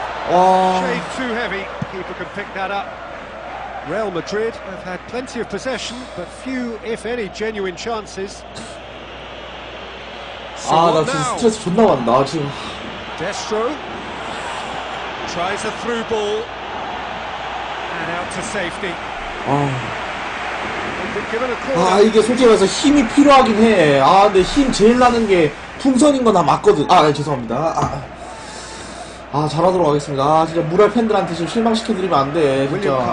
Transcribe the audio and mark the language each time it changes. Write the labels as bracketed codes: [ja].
[en] 와. Too heavy. Keeper can pick that up. Real Madrid have had plenty of possession, but few, if any, genuine chances. [ko] 아, 나 지금 스트레스 존나 받는다 지금. [en] Destro tries a through ball and out to safety. 아. [ko] 아 이게 솔직히 말해서 힘이 필요하긴 해. 아 근데 힘 제일 나는 게 풍선인 거 나 맞거든. 아 네, 죄송합니다. 아 잘하도록 하겠습니다. 아 진짜 무랄 팬들한테 지금 실망시켜드리면 안 돼 진짜.